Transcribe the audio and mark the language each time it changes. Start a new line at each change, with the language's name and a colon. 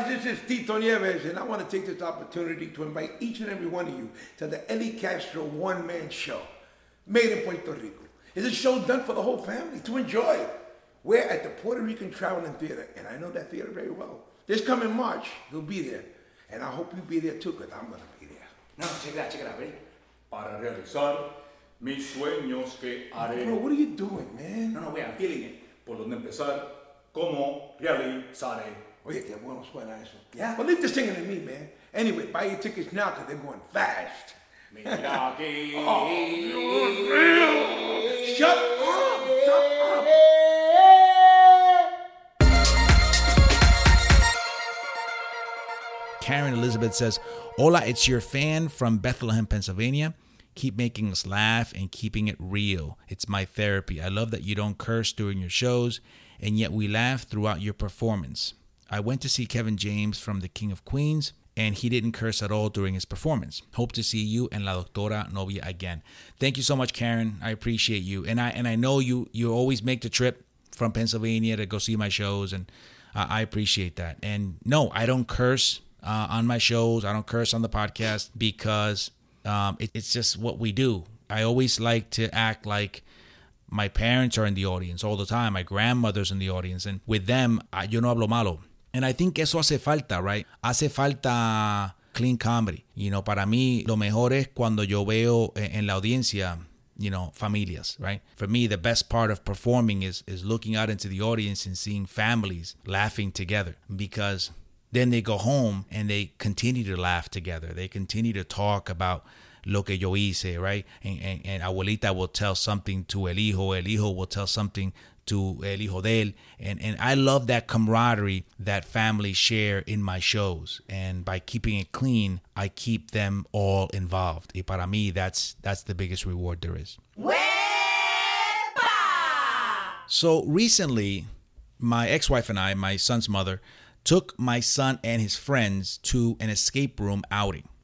English: This is Tito Nieves, and I want to take this opportunity to invite each and every one of you to the Eli Castro one-man show, made in Puerto Rico. It's a show done for the whole family to enjoy. We're at the Puerto Rican Traveling Theater, and I know that theater very well. This coming March, you'll be there. And I hope you'll be there too, because I'm going to be there. Now, check it out, ready?
Spanish: Para realizar mis sueños que haré.
English: Bro, what are you doing, man? No, wait, I'm feeling it.
Spanish: Por donde empezar, como realizaré. Oye, que bueno suena eso.
English: Yeah? Well, leave this singing to me, man. Anyway, buy your tickets now, because they're going fast.
Spanish: Mira aquí.
English: Oh, you're real. Shut up. Shut up. Karen Elizabeth says, hola, it's your fan from Bethlehem, Pennsylvania. Keep making us laugh and keeping it real. It's my therapy. I love that you don't curse during your shows, and yet we laugh throughout your performance. I went to see Kevin James from The King of Queens, and he didn't curse at all during his performance. Hope to see you and La Doctora Novia again. Thank you so much, Karen. I appreciate you. And I know you always make the trip from Pennsylvania to go see my shows, and I appreciate that. And no, I don't curse on my shows. I don't curse on the podcast because it's just what we do. I always like to act like my parents are in the audience all the time. My grandmother's in the audience. And with them,
Spanish: yo no hablo malo.
English: And I think
Spanish: eso hace falta,
English: right?
Spanish: Hace falta
English: clean comedy. You know,
Spanish: para mí, lo mejor es cuando yo veo en la audiencia
English: you know, familias, right? For me, the best part of performing is looking out into the audience and seeing families laughing together, because then they go home and they continue to laugh together. They continue to talk about
Spanish: lo que yo hice,
English: right? And abuelita will tell something to
Spanish: el hijo
English: will tell something to
Spanish: el hijo de él.
English: And I love that camaraderie that families share in my shows. And by keeping it clean, I keep them all involved.
Spanish: Y para mí,
English: that's the biggest reward there is. ¡Wepa! So recently, my ex-wife and I, my son's mother, took my son and his friends to an escape room outing.